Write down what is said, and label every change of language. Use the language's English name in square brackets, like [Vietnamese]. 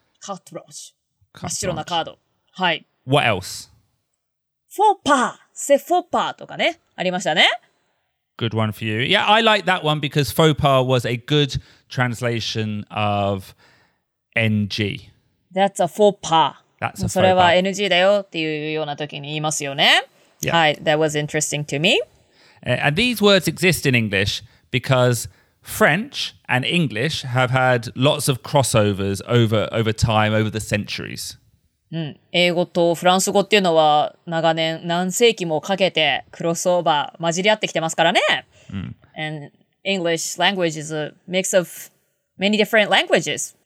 [Japanese] Carte blanche. Mashiro na kaado. Hai. [English] What else? [Japanese] Faux pas. [French] C'est faux pas [Japanese] toka ne. Arimashita ne. [English] Good one for you. Yeah, I like that one because faux pas was a good translation of NG. That's a faux pas. That's a faux pas. [Japanese] それは NG だよっていうような時に言いますよね。 [English] Yeah. Hai, that was interesting to me. And these words exist in English because French and English have had lots of crossovers over time, over the centuries. [Japanese] 英語とフランス語っていうのは長年何世紀もかけてクロスオーバー混じり合ってきてますからね。 [English] And English language is a mix of many different languages.